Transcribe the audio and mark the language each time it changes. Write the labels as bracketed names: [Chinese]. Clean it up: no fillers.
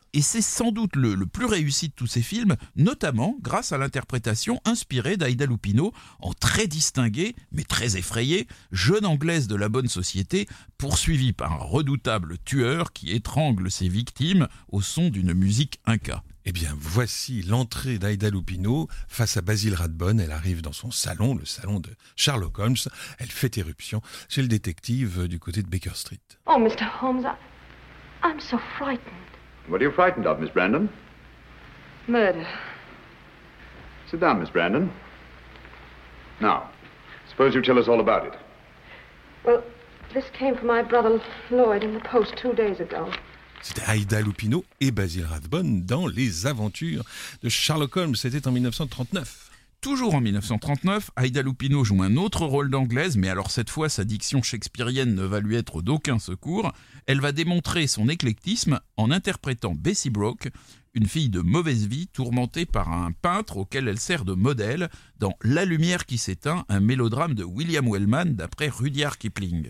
[French] Et c'est sans doute le plus réussi de tous ces films, notamment grâce à l'interprétation inspirée d'Aïda Lupino en très distinguée, mais très effrayée, jeune anglaise de la bonne société, poursuivie par un redoutable tueur qui étrangle ses victimes au son d'une musique inca. Eh bien, voici l'entrée d'Aïda Lupino face à Basil Rathbone. Elle arrive dans son salon, le salon de Sherlock Holmes. Elle fait éruption chez le détective du côté de Baker Street. [English] Oh, Mr. Holmes, I'm so frightened. What are you frightened of, Miss Brandon? Murder. Sit down, Miss Brandon. Now, suppose you tell us all about it. Well, this came from my brother Lloyd in the post 2 days ago. [French] C'était Aïda Lupino et Basil Rathbone dans Les Aventures de Sherlock Holmes. C'était en 1939. Toujours en 1939, Aïda Lupino joue un autre rôle d'anglaise, mais alors cette fois, sa diction shakespearienne ne va lui être d'aucun secours. Elle va démontrer son éclectisme en interprétant Bessie Brooke, une fille de mauvaise vie tourmentée par un peintre auquel elle sert de modèle dans La lumière qui s'éteint, un mélodrame de William Wellman d'après Rudyard Kipling.